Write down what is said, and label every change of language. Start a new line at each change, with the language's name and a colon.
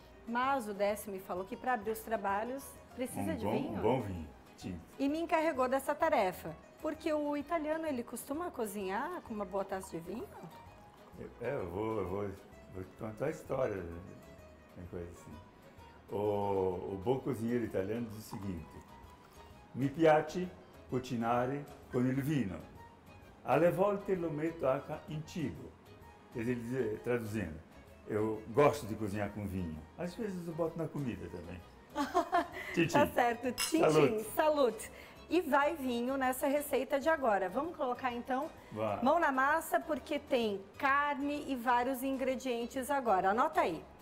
Portuguese: Mas o Décio me falou que para abrir os trabalhos precisa de Um vinho. bom vinho, tinto. E me encarregou dessa tarefa. Porque o italiano, ele costuma cozinhar com uma boa taça de vinho? Eu vou contar a história, tem coisa assim. O bom cozinheiro italiano diz o seguinte:
Italian: mi piace cucinare con il vino, alle volte lo metto anche in cibo.
Portuguese: Quer dizer, traduzindo, eu gosto de cozinhar com vinho, às vezes eu boto na comida também. Tá Tchim, tchim, certo, tchim, tchim,
Italian: salute! salute.
Portuguese: E vai vinho nessa receita de agora. Vamos colocar então Vá. mão na massa porque tem carne e vários ingredientes agora. Anota aí.